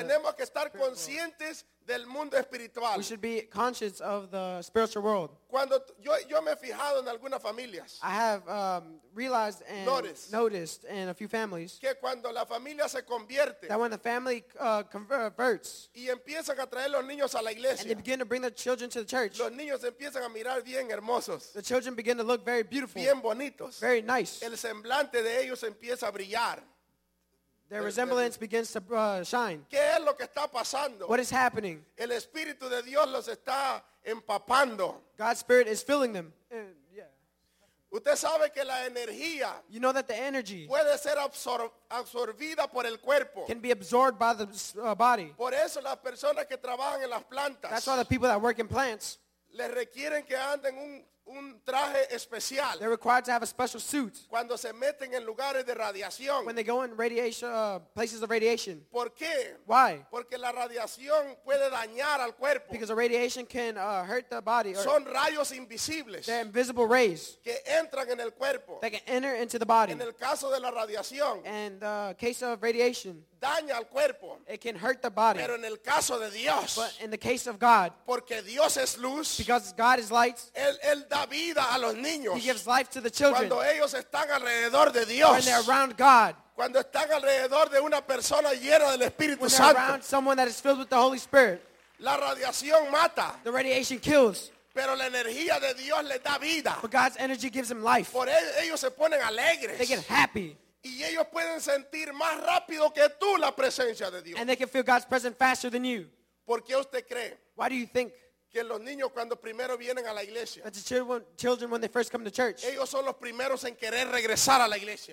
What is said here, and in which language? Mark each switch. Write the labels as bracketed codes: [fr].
[en] conscious of the spiritual world. We should be conscious of the spiritual world. [es] Cuando yo me he fijado en algunas familias, [en] I have realized and noticed in a few families [es] que cuando la familia se convierte, [en] that when the family converts [es] y empiezan a traer los niños a la iglesia, [en] and they begin to bring their children to the church, [es] los niños empiezan a mirar bien hermosos, [en] the children begin to look very beautiful, [es] bien bonitos, [en] very nice. [es] El semblante de ellos empieza a brillar. [en] Their resemblance begins to shine. [es] ¿Qué es lo que está pasando? [en] What is happening? [es] El Espíritu de Dios los está empapando. [en] God's Spirit is filling them. [es] Usted sabe que la energía, [en] you know that the energy, [es] puede ser absorbida por el cuerpo, [en] can be absorbed by the body. [es] Por eso las personas que trabajan en las plantas, [en] that's why the people that work in plants, [es] les requieren que anden un un traje especial. [en] They're required to have a special suit. [es] Cuando se meten en lugares de radiación. [en] When they go in radiation, places of radiation. [es] ¿Por qué? [en] Why? [es] Porque la radiación puede dañar al cuerpo. [en] Because the radiation can hurt the body. [es] Son rayos invisibles. [en] They're invisible rays. [es] Que entran en el cuerpo. [en] They can enter into the body. [es] En el caso de la radiación. [en] And the case of radiation. [es] Daña al cuerpo. [en] It can hurt the body. [es] Pero en el caso de Dios. [en] But in the case of God. [es] Porque Dios es luz. [en] Because God is light. [es] Él da vida a los niños. [en] He gives life to the children. [es] Cuando ellos están alrededor de Dios. [en] When they're around God. [es] Cuando están alrededor de una persona llena del Espíritu Santo. [en] When they're around someone that is filled with the Holy Spirit. [es] La radiación mata. [en] The radiation kills. [es] Pero la energía de Dios les da vida. [en] But God's energy gives them life. [es] Por ellos se ponen alegres. [en] They get happy. [es] Y ellos pueden sentir más rápido que tú la presencia de Dios. [en] And they can feel God's presence faster than you. [es] ¿Por qué usted cree? [en] Why do you think? [es] Que los niños cuando primero vienen a la iglesia. [en] That the children when they first come to church. [es] Ellos son los primeros en querer regresar a la iglesia.